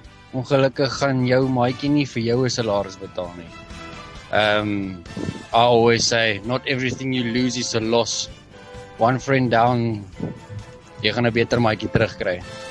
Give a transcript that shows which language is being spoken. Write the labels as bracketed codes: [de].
[af] Ongelukkig gaan jou maatjie nie vir jou 'n salaris betaal nie. [en] I always say, not everything you lose is a loss. One friend down, [af] jy gaan 'n beter maatjie terugkry.